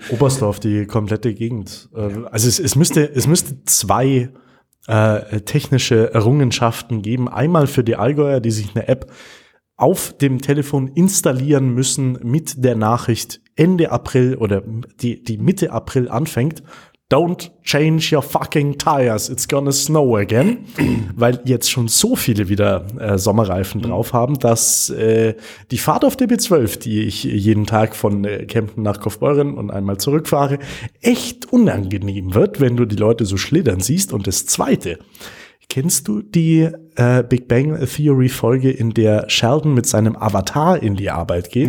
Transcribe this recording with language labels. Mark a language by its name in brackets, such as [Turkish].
[German] Oberstdorf, die komplette Gegend. Also es müsste zwei technische Errungenschaften geben. Einmal für die Allgäuer, die sich eine App auf dem Telefon installieren müssen mit der Nachricht Ende April oder die Mitte April anfängt. [English] Don't change your fucking tires, it's gonna snow again. [German] Weil jetzt schon so viele wieder Sommerreifen drauf haben, dass die Fahrt auf der B12, die ich jeden Tag von Kempten nach Kaufbeuren und einmal zurückfahre, echt unangenehm wird, wenn du die Leute so schlittern siehst. Und das Zweite, kennst du die Big Bang Theory Folge, in der Sheldon mit seinem Avatar in die Arbeit geht?